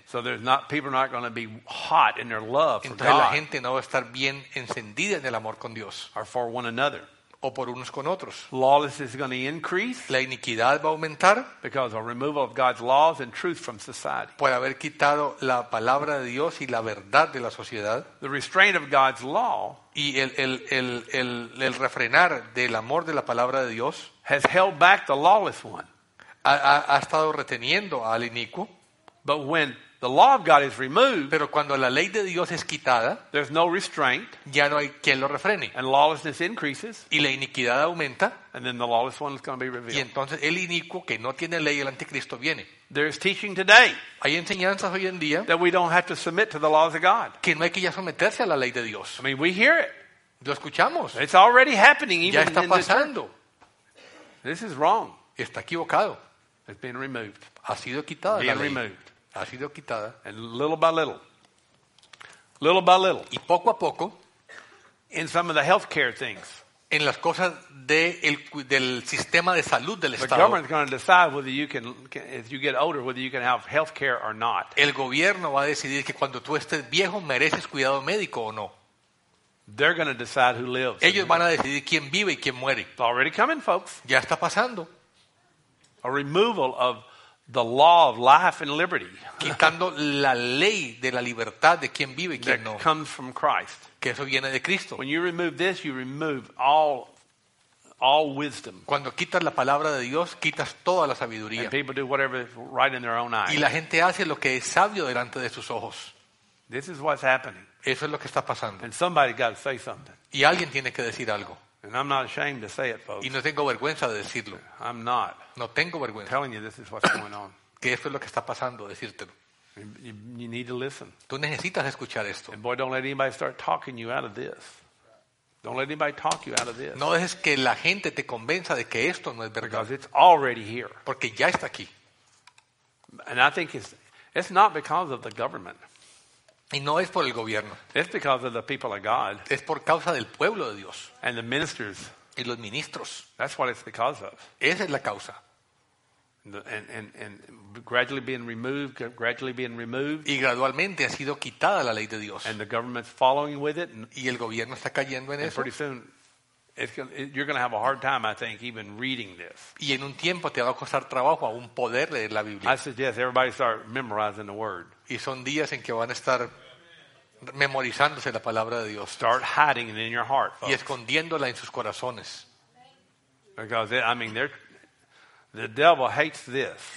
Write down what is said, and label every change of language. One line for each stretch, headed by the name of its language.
English: So there's not people are not going to be hot in their love
Spanish: Entonces,
English: for God.
Spanish: La gente no va a estar bien encendida en el amor con Dios.
English: Or for one another.
Spanish: O por unos con otros.
English: Lawlessness is going to increase.
Spanish: La iniquidad va a aumentar.
English: Because of removal of God's laws and truth from society.
Spanish: Por haber quitado la palabra de Dios y la verdad de la sociedad.
English: The restraint of God's law.
Spanish: Y el refrenar del amor de la palabra de Dios.
English: Has held back the lawless one.
Spanish: Ha estado reteniendo al inicuo.
English: But when the law of God is removed.
Spanish: Pero cuando la ley de Dios es quitada,
English: there's no restraint.
Spanish: Ya no hay quien lo refrene.
English: And lawlessness increases.
Spanish: Y la iniquidad aumenta.
English: And then the lawless one is going to be revealed.
Spanish: Y entonces el inicuo que no tiene ley, el anticristo viene.
English: There is teaching today.
Spanish: Hay enseñanzas hoy en día.
English: That we don't have to submit to the laws of God.
Spanish: Que no hay que ya someterse a la ley de Dios.
English: I mean, we hear it.
Spanish: Lo escuchamos.
English: It's already happening. Even
Spanish: ya está pasando.
English: This is wrong.
Spanish: Está equivocado.
English: It's been removed.
Spanish: Ha sido quitada.
English: Being
Spanish: la ley.
English: Removed.
Spanish: Ha sido quitada.
English: And little by little. Little by little.
Spanish: Y poco a poco.
English: In some of the healthcare things.
Spanish: En las cosas del sistema de salud del estado.
English: The government's going to decide whether you can, if you get older, whether you can have healthcare or not.
Spanish: El gobierno va a decidir que cuando tú estés viejo mereces cuidado médico o no.
English: They're going to decide who lives.
Spanish: Ellos van a decidir quién vive y quién muere.
English: It's already coming, folks.
Spanish: Ya está pasando.
English: A removal of the law of life and liberty.
Spanish: Quitando la ley de la libertad de quién vive y quién no.
English: That comes from Christ.
Spanish: Que eso viene de Cristo.
English: When you remove this, you remove all wisdom.
Spanish: Cuando quitas la palabra de Dios, quitas toda la sabiduría.
English: And people do whatever is right in their own eyes.
Spanish: Y la gente hace lo que es sabio delante de sus ojos.
English: This is what's happening.
Spanish: Eso es lo que está pasando.
English: And somebody got to say something.
Spanish: Y alguien tiene que decir algo.
English: And I'm not ashamed to say it, folks.
Spanish: Y no tengo vergüenza de decirlo.
English: I'm not.
Spanish: No tengo vergüenza.
English: I'm telling you this is what's going on.
Spanish: Que esto es lo que está pasando, decírtelo.
English: You need to listen.
Spanish: Tú necesitas escuchar esto.
English: And boy, don't let anybody start talking you out of this. Don't let anybody talk you out of this.
Spanish: No dejes que la gente te convenza de que esto no es verdad.
English: Because it's already here.
Spanish: Porque ya está aquí.
English: And I think it's not because of the government.
Spanish: Y no es por el gobierno.
English: It's because of the people of God.
Spanish: Es por causa del pueblo de Dios.
English: And the ministers.
Spanish: Y los ministros.
English: That's what it's because of.
Spanish: Esa es la causa.
English: And gradually being removed, gradually being removed.
Spanish: Y gradualmente ha sido quitada la ley de Dios.
English: And the government's following with it.
Spanish: Y el gobierno está cayendo en
English: and
Spanish: eso.
English: And pretty soon, you're going to have a hard time, I think, even reading this.
Spanish: Y en un tiempo te va a costar trabajo aún poder leer la Biblia.
English: I suggest everybody start memorizing the word.
Spanish: Y son días en que van a estar memorizándose la palabra de Dios.
English: Start hiding it in your heart, folks.
Spanish: Y escondiéndola en sus corazones.
English: Because I mean, the devil hates this.